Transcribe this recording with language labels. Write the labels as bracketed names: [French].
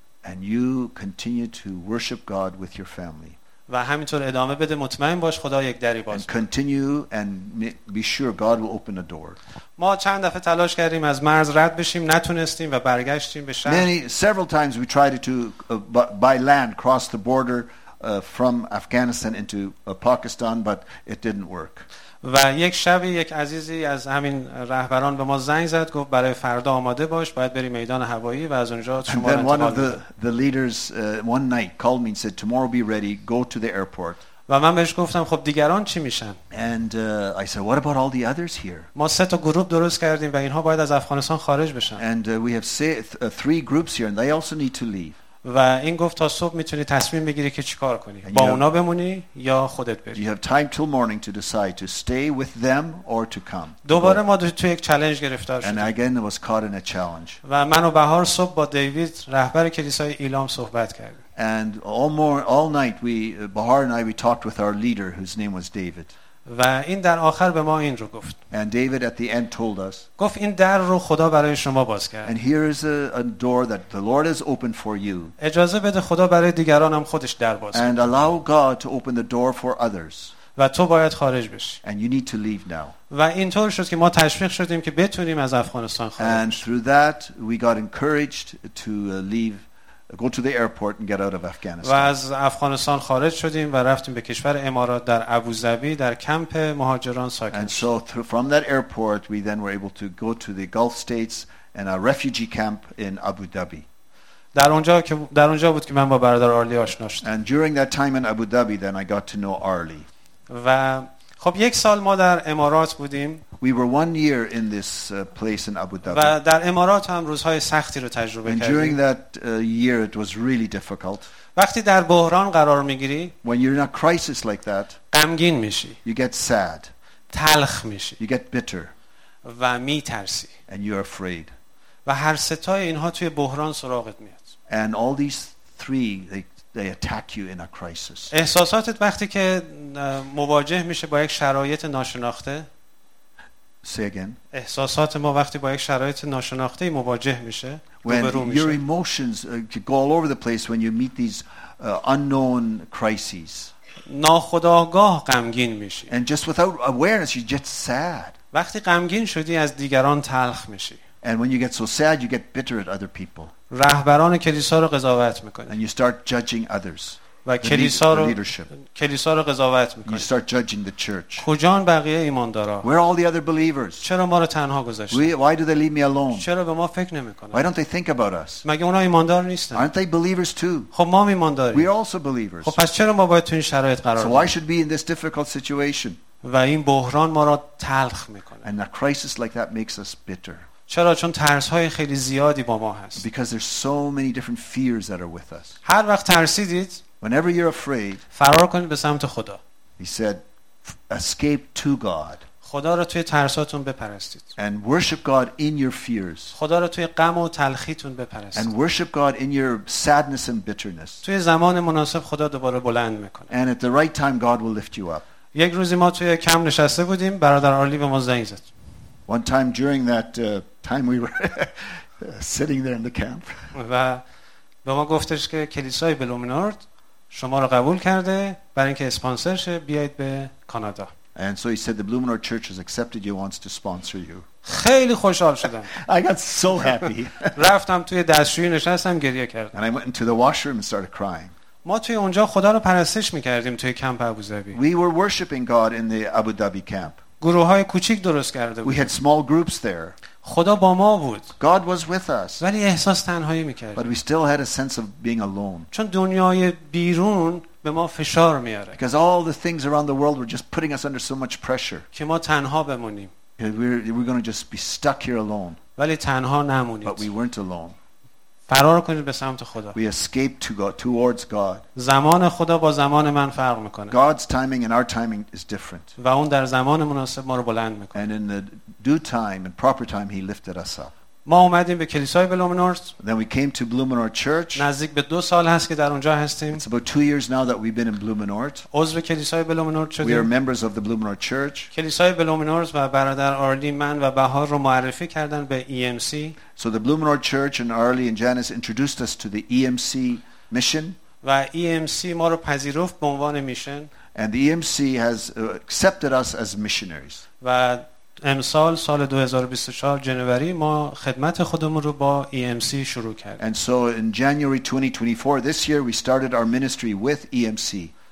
[English] And you continue to worship God with your family. [Persian] و همینطور ادامه بده مطمئن باش خدا یک دری باز کنه. [English] Continue and be sure God will open a door. [Persian] ما چند دفعه تلاش کردیم از مرز رد بشیم نتونستیم و برگشتیم به شهر. [English] Several times we tried to by land cross the border from Afghanistan into Pakistan but it didn't work. [Persian] و یک شبی یک عزیزی از همین رهبران به ما زنگ زد گفت برای فردا آماده باش باید بری میدان هوایی و از اونجا شما انتقال بدی. [English] One of the leaders one night called me and said tomorrow be ready go to the airport. [Persian] و من بهش گفتم خب دیگران چی میشن؟ [English] And I said what about all the others here? [Persian] ما سه تا گروه درست کردیم و اینها باید از افغانستان خارج بشن. [English] And we have three groups here and they also need to leave. [Persian] و این گفت تا صبح میتونی تصمیم بگیری که چیکار کنی با اونا بمونی یا خودت بری. [English] You have time till morning to decide to stay with them or to come. [Persian] دوباره ما تو یک چالش گرفتار شدیم. [English] And again was caught in a challenge. [Persian] و من و بهار صبح با دیوید رهبر کلیسای ایلام صحبت کردیم. [English] And all night we Bahar and I we talked with our leader whose name was David. [Persian] و این در آخر به ما این رو گفت. [English] And David at the end told us. [Persian] گفت این در رو خدا برای شما باز کرد. [English] And here is a door that the Lord has opened for you. [Persian] اجازه بده خدا برای دیگران هم خودش در باز کنه. [English] And allow God to open the door for others. [Persian] و تو باید خارج بشی. [English] And you need to leave now. [Persian] و اینطور شد که ما تشویق شدیم که بتونیم از افغانستان خارج. [English] And through that we got encouraged to leave, go to the airport and get out of Afghanistan. [Persian] و از افغانستان خارج شدیم و رفتیم به کشور امارات در ابوظبی در کمپ مهاجران ساکن. [English] And so from that airport we then were able to go to the Gulf States and a refugee camp in Abu Dhabi. [Persian] در اونجا بود که من با برادر آرلی آشنا شدم. [English] And during that time in Abu Dhabi then I got to know Arlie. [Persian] و خب یک سال ما در امارات بودیم. [English] We were one year in this place in Abu Dhabi. [Persian] و در امارات هم روزهای سختی رو تجربه کردیم. [English] And during that year it was really difficult. [Persian] وقتی در بحران قرار میگیری. [English] When you're in a crisis like that. [Persian] غمگین میشی. [English] You get sad. [Persian] تلخ میشی. [English] You get bitter. [Persian] و میترسی. [English] And you're afraid. [Persian] و هر ستای اینها توی بحران سراغت میاد. [English] And all these three they attack you in a crisis. [Persian] احساساتت وقتی که مواجه میشه با یک شرایط ناشناخته. [English] Say again. [Persian] احساسات ما وقتی با یک شرایط ناشناخته مواجه میشه. [English] When your emotions go all over the place when you meet these unknown crises. [Persian] ناخودآگاه غمگین میشی. [English] And just without awareness you get sad. [Persian] وقتی غمگین شدی از دیگران تلخ میشی. [English] And when you get so sad you get bitter at other people. [Persian] رهبران کلیسا رو قضاوت میکنی. [English] And you start judging others. [Persian] و کلیسا رو قضاوت میکنی. [English] You start judging the church. [Persian] کجان بقیه ایماندارا؟ [English] Where are all the other believers? [Persian] چرا ما رو تنها گذاشتن؟ [English] Why do they leave me alone? [Persian] چرا به ما فکر نمیکنن؟ [English] Why don't they think about us? [Persian] مگه اونا ایماندار نیستن؟ [English] Aren't they believers too? [Persian] خب ما ایمانداریم. [English] We are also believers. [Persian] خب پس چرا ما باید تو این شرایط قرار بگیریم؟ [English] So why should we be in this difficult situation? [Persian] و این بحران ما رو تلخ میکنه. [English] And a crisis like that makes us bitter. [Persian] چرا؟ چون ترس‌های خیلی زیادی با ما هست. [English] Because there's so many different fears that are with us. [Persian] هر وقت ترسیدید، [English] whenever you're afraid، [Persian] فرار کنید به سمت خدا. [English] He said escape to God. [Persian] خدا را توی ترساتون بپرستید. [English] And worship God in your fears. [Persian] خدا را توی غم و تلخیتون بپرستید. [English] And worship God in your sadness and bitterness. [Persian] توی زمان مناسب خدا دوباره بلند می‌کنه. [English] And at the right time God will lift you up. [Persian] یک روزی ما توی کم نشسته بودیم، برادر آرلی به ما زنگ زد. [English] One time during that time we were sitting there in the camp. [Persian] و به ما گفتش که کلیسای بلومینارد شما رو قبول کرده برای اینکه اسپانسر شه بیاید به کانادا. [English] And so he said the Bloomingdale Church has accepted you, wants to sponsor you. [Persian] خیلی خوشحال شدم. [English] I got so happy. [Persian] رفتم توی دستشویی نشستم گریه کردم. [English] And I went into the washroom and started crying. [Persian] ما توی اونجا خدا رو پرستش می‌کردیم توی کمپ ابوظبی. [English] We were worshiping God in the Abu Dhabi camp. [Persian] گروه‌های کوچک درست کرده بود. [English] We had small groups there. [Persian] خدا با ما بود. [English] God was with us. [Persian] ولی احساس تنهایی می‌کردیم. [English] But we still had a sense of being alone. [Persian] چون دنیای بیرون به ما فشار میاره. [English] Because all the things around the world were just putting us under so much pressure. [Persian] که ما تنها بمونیم. [English] We're going to just be stuck here alone. [Persian] ولی تنها نمونید. [English] But we weren't alone. [Persian] فرار کنید به سمت خدا. [English] We escaped to God, towards God. [Persian] زمان خدا با زمان من فرق میکنه. [English] God's timing and our timing is different. [Persian] و اون در زمان مناسب ما رو بلند میکنه. [English] And in the due time and proper time he lifted us up. [Persian] ما اومدیم به کلیسای بلومنورت. [English] Then we came to Bloomingdale Church. [Persian] نزدیک به 2 سال هست که در اونجا هستیم. [English] It's about 2 years now that we've been in Bloomingdale. [Persian] عضو کلیسای بلومنورت شدیم. [English] We are members of the Bloomingdale Church. [Persian] کلیسای بلومنورت و برادر آرلی من و بهار رو معرفی کردن به EMC. [English] So the Bloomingdale Church and Arlie and Janice introduced us to the EMC mission. [Persian] و EMC ما رو پذیرفت به عنوان میشن. [English] And the EMC has accepted us as missionaries. [Persian] و امسال سال 2024 جنوری ما خدمت خودمون رو با EMC شروع کردیم. [English] And so in January 2024 this year we started our ministry with EMC.